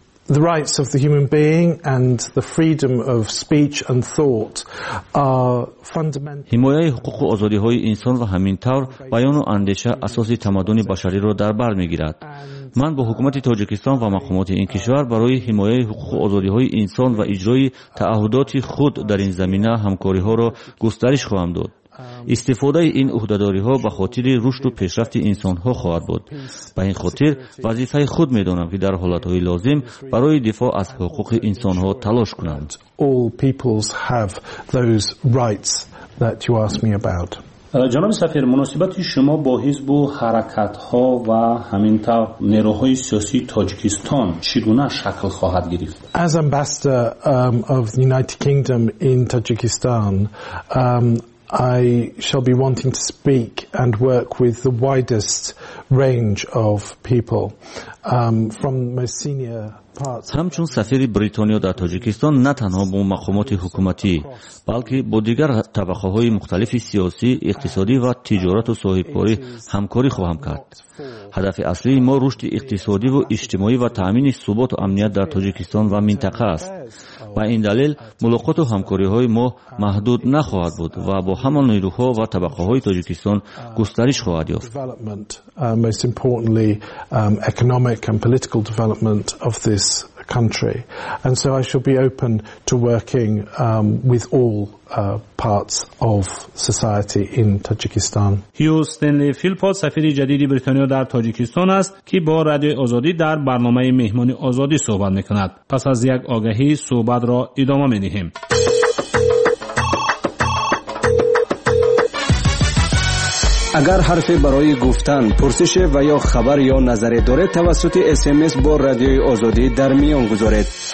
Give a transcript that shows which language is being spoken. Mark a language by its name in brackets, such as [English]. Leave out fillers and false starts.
[English] The rights of the human being and the freedom of speech and thought are fundamental. [Persian] حمایت حقوق و آزادی‌های انسان و همینطور بیان و اندیشه اساسی تمدن بشری را در بر می‌گیرد. من با حکومت تاجیکستان و مقامات این کشور برای حمایت حقوق و آزادی‌های انسان و اجرای تعهدات خود در این زمینه همکاری‌ها را گسترش خواهم داد. استفاده این عهده‌داری‌ها به خاطر رشد و پیشرفت انسان‌ها خواهد بود. به این خاطر وظیفه خود می‌دانم که در حالت‌های لازم برای دفاع از حقوق انسان‌ها تلاش کنند. [English] All peoples have those rights that you asked me about. [Persian] جناب سفیر، مناسبت شما با حزب و حرکت‌ها و همینطور نیروهای سیاسی تاجیکستان چگونه شکل خواهد گرفت؟ [English] As ambassador of the United Kingdom in Tajikistan, I shall be wanting to speak and work with the widest range of people from most senior parts. [Persian] همچون سفیر بریتانیا در تاجیکستان نه تنها با مقامات حکومتی بلکه با دیگر طبقه های مختلف سیاسی، اقتصادی و تجارت و صاحبکاری همکاری خواهم کرد. هدف اصلی ما رشد اقتصادی و اجتماعی و تأمین ثبات و امنیت در تاجیکستان و منطقه است. با این دلیل ملاقات و همکاری های ما محدود نخواهد بود و با همه نیروها و طبقه های تاجیکستان گسترش خواهد یافت. [English] Most importantly, economic and political development of this country. And so I shall be open to working with all parts of society in Tajikistan. [Persian] هیو استنلی فیلپوت سفیر جدید بریتانیا در تاجیکستان است که با رادیو آزادی در برنامه مهمانی آزادی صحبت میکند. پس از یک آگهی صحبت را ادامه میدهیم. اگر حرفی برای گفتن، پرسش و یا خبر یا نظری دارید توسط SMS با رادیوی آزادی در میان گذارید.